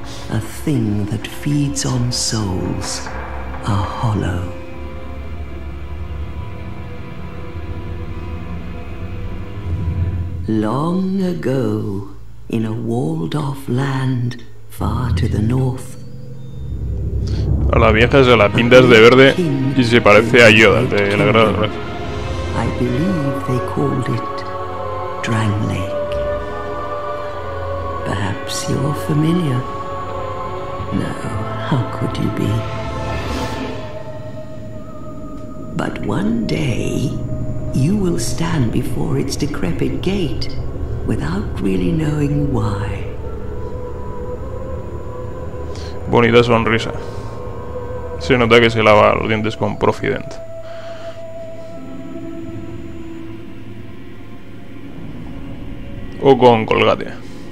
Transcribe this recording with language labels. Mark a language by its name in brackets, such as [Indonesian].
[English] a thing that feeds on souls, a hollow. Long ago, in a walled-off land far to the north, [Spanish] a la vieja se la pintas de verde y se parece a Yoda de la Gran [English] I believe they called it Drang Lake. Perhaps you're familiar. No, how could you be? But one day, you will stand before its decrepit gate without really knowing why. [Spanish] Bonita sonrisa. Se nota que se lava los dientes con Profident. O con Colgate.